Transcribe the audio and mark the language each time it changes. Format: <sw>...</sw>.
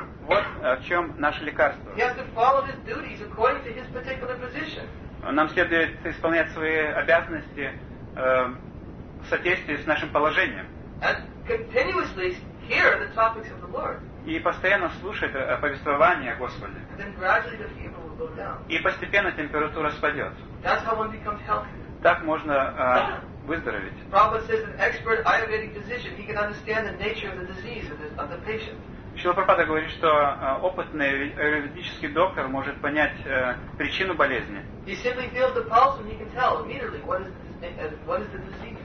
<ru>Вот в чем наше лекарство.</ru> <en>He has to follow his duties according to his particular position.</en> <ru>Нам следует исполнять свои обязанности в соответствии с нашим положением.</ru> <en>And continuously hear the topics of the Lord.</en> <ru>И постоянно слушать повествование о Господе.</ru> <en>And then gradually the fever will go down.</en> <ru>И постепенно температура спадет.</ru> <en>That's how one becomes healthy.</en> <ru>Так можно выздороветь.</ru> <en>Prabhupada says an expert Ayurvedic physician, he can understand the nature of the disease of the patient.</en> <ru>Шрила Прабхупада говорит, что опытный аюрведический доктор может понять причину болезни.</ru> <en>He simply feels the pulse and he can tell immediately what is the disease.</en>